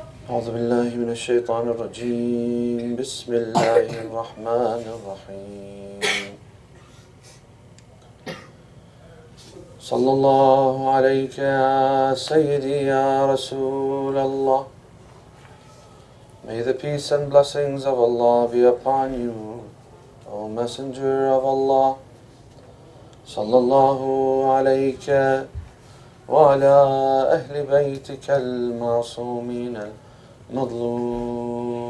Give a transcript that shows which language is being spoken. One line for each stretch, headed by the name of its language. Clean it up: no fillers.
Arabic: أعوذ بالله من الشيطان الرجيم بسم الله الرحمن الرحيم صلى الله عليك يا سيدي يا رسول الله.
English: May the peace and blessings of Allah be upon you, O Messenger of Allah.
Arabic: صلى الله عليك وعلى أهل بيتك المعصومين المظلومين.